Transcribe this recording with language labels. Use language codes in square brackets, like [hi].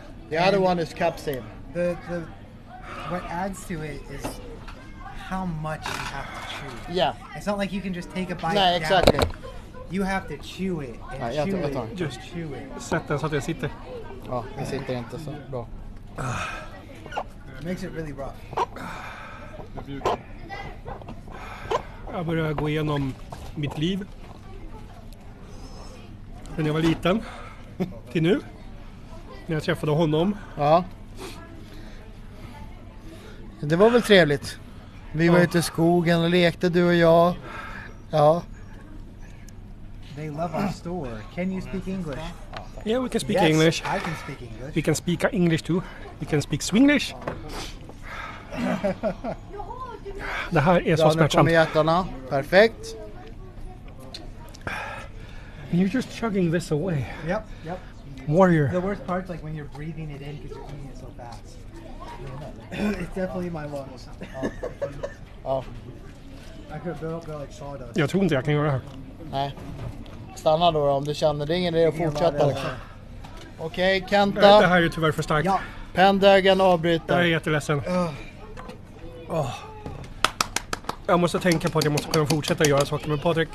[en] The and other one is capsaicin. The what adds to it is how much you have to chew. Yeah. It's not like you can just take a bite. Nej, exactly. You have to chew it. Just chew it. [sv] Sätt den så att jag sitter. Ja, det sitter inte så bra. [en] It makes it really rough. [sv] Jag börjar gå igenom mitt liv. När jag var liten. Till nu. När jag träffade honom. Ja. Det var väl trevligt. Vi var ute i skogen och lekte, du och jag. Ja. [en] They love our store. Can you speak English? Yeah, we can speak English. I can speak English. We can speak English too. We can speak Swenglish. [sv] Det här är så smärtsamt. Nu kommer hjärtarna. Perfekt. [en] You're just chugging this away. Yep, yep. Warrior. The worst part is like when you're breathing it in because you're eating it so fast. It's definitely my lungs. Oh. I could build go like sawdust. [sv] Jag tror inte jag kan göra det här. Nej. Stanna då om du känner. Det är ingen idé att fortsätta. Okej, Kenta. Det här är ju tyvärr för starkt. Ja. Pendögen avbryter. Jag är jätteledsen. Jag måste tänka på att jag måste kunna fortsätta göra saker med Patrik.